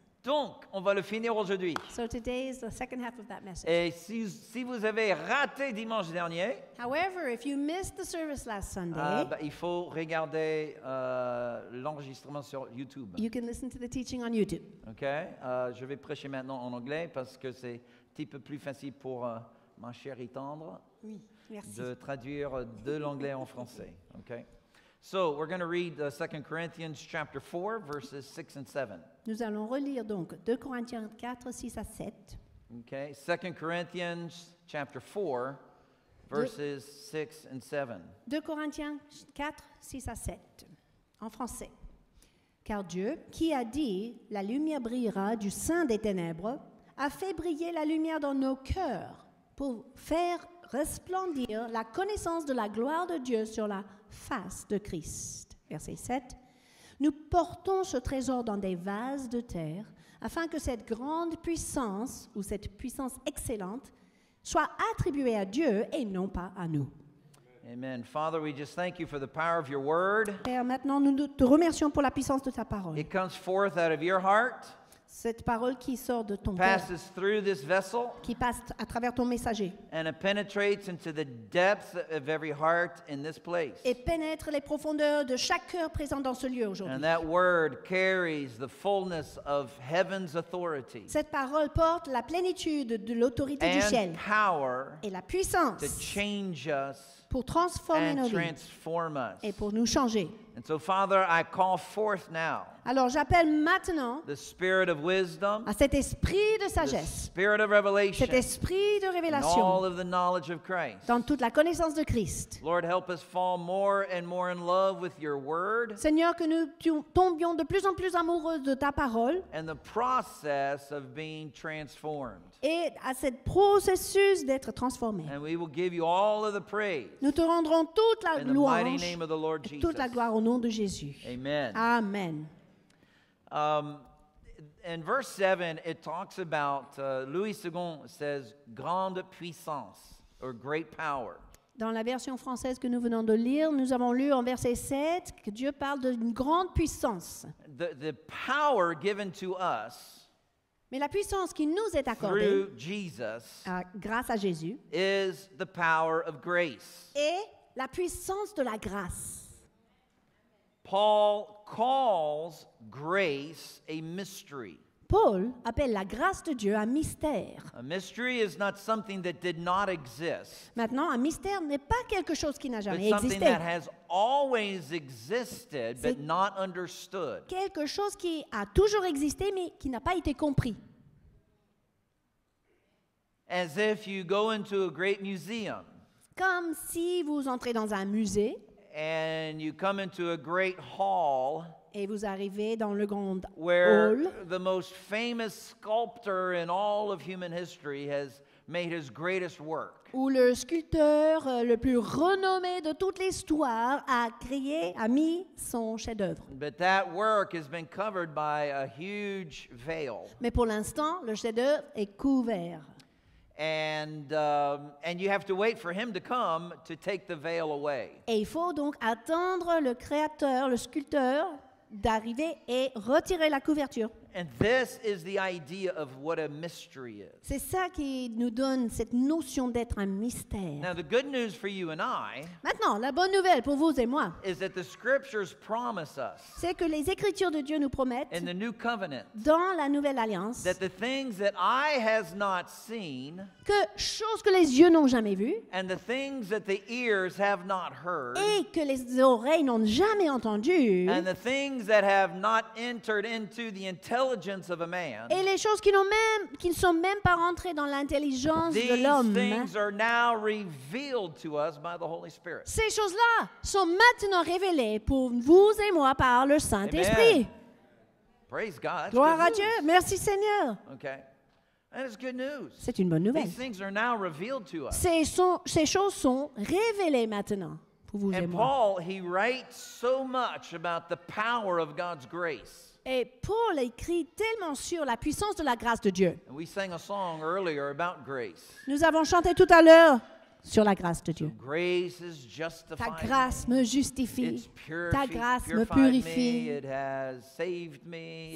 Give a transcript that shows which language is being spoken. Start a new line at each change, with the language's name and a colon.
French: Donc, on va le finir aujourd'hui.
English: So today is the second half of that message.
French: Et si vous avez raté dimanche dernier,
English: however, if you missed the service last Sunday,
French: il faut regarder l'enregistrement sur YouTube.
English: You can listen to the teaching on YouTube. Okay.
French: Je vais prêcher maintenant en anglais parce que c'est un petit peu plus facile pour ma chère y tendre. Oui. Merci. De traduire de l'anglais en français. Okay.
English: So, we're going to read 2 Corinthians chapter 4, verses 6 and 7.
French: Nous allons relire donc 2 Corinthiens 4, 6 à 7.
English: Okay, 2 Corinthians chapter 4, verses 6 and 7.
French: 2 Corinthiens 4, 6 à 7, en français. Car Dieu, qui a dit, la lumière brillera du sein des ténèbres, a fait briller la lumière dans nos cœurs pour faire resplendir la connaissance de la gloire de Dieu sur la face de Christ. Verset 7. Nous portons ce trésor dans des vases de terre afin que cette grande puissance ou cette puissance excellente soit attribuée à Dieu et non pas à nous.
English: Amen. Father, we just thank you for the power of your word.
French: Père, maintenant nous te remercions pour la puissance de ta parole.
English: It comes forth out of your heart.
French: Cette parole qui sort de ton
English: passes
French: cœur,
English: through this vessel,
French: qui passe à travers ton messager,
English: and it penetrates into the depth of every heart in this place.
French: Et pénètre les profondeurs de chaque cœur présent dans ce lieu aujourd'hui.
English: And that word carries the fullness of heaven's authority.
French: Cette parole porte la plénitude de l'autorité du ciel.
English: And power
French: et la puissance
English: to change us
French: pour transformer
English: and
French: nos
English: transform
French: vies
English: us
French: et pour nous changer.
English: And so, Father, I call forth now.
French: Alors j'appelle maintenant
English: the spirit of wisdom,
French: à cet esprit de sagesse,
English: the spirit of revelation,
French: cet esprit de révélation,
English: and all of the knowledge of Christ,
French: dans toute la connaissance de Christ.
English: Lord, help us fall more and more in love with your word.
French: Seigneur, que nous tombions de plus en plus amoureux de ta parole.
English: And the process of being transformed.
French: Et à ce processus d'être transformé.
English: And we will give you all of the praise.
French: Nous te rendrons toute la louange.
English: In the mighty name of the Lord Jesus.
French: Toute la gloire au nom de Jésus. Amen. Amen.
English: In verse 7, it talks about, Louis II says,
French: grande puissance,
English: or great power.
French: Dans la version française que nous venons de lire, nous avons lu en verset 7 que Dieu parle d'une grande puissance.
English: The power given to us,
French: mais la puissance qui nous est accordée,
English: through Jesus,
French: grâce à Jésus,
English: is the power of grace.
French: Et la puissance de la grâce.
English: Paul calls grace a mystery.
French: Paul appelle la grâce de Dieu un mystère.
English: A mystery is not something that did not exist.
French: Maintenant, un mystère n'est pas quelque chose qui n'a jamais existé.
English: It's something that has always existed but not understood.
French: Quelque chose qui a toujours existé mais qui n'a pas été compris.
English: As if you go into a great museum.
French: Comme si vous entrez dans un musée.
English: And you come into a great hall,
French: et vous arrivez dans le grand
English: where
French: hall,
English: the most famous sculptor in all of human history has made his greatest work.
French: Où le sculpteur le plus renommé de toute l'histoire a créé, a mis son chef-d'œuvre.
English: But that work has been covered by a huge veil.
French: Mais pour l'instant, le chef-d'œuvre est couvert.
English: And you have to wait for him to come to take the veil away.
French: Et il faut donc attendre le créateur, le sculpteur, d'arriver et retirer la couverture.
English: And this is the idea of what a mystery is.
French: C'est ça qui nous donne cette notion d'être un mystère.
English: Now the good news for you and I.
French: Maintenant, la bonne nouvelle pour vous et moi.
English: Is that the scriptures promise us.
French: C'est que les écritures de Dieu nous promettent.
English: In the new covenant.
French: Dans la nouvelle alliance.
English: That the things that eye has not seen.
French: Que choses que les yeux n'ont jamais vues.
English: And the things that the ears have not heard.
French: Et que les oreilles n'ont jamais entendues.
English: And the things that have not entered into the intelligence of a man.
French: Et les choses qui ne sont même pas rentrées dans l'intelligence de l'homme.
English: These things are now revealed to us by the Holy Spirit.
French: Ces choses-là sont maintenant révélées pour vous et moi par le Saint-Esprit.
English: Amen. Praise God.
French: Gloire à Dieu. Merci Seigneur.
English: Okay. And it's good news.
French: C'est une bonne nouvelle.
English: These things are now revealed to us.
French: Ces choses sont révélées maintenant pour vous et moi.
English: And Paul, he writes so much about the power of God's grace.
French: Et Paul écrit tellement sur la puissance de la grâce de Dieu.
English: We sang a song earlier about grace.
French: Nous avons chanté tout à l'heure sur la grâce de Dieu.
English: So grace is justifying.
French: Ta grâce me justifie.
English: It's purified,
French: ta grâce me purifie.
English: Me. It has saved me.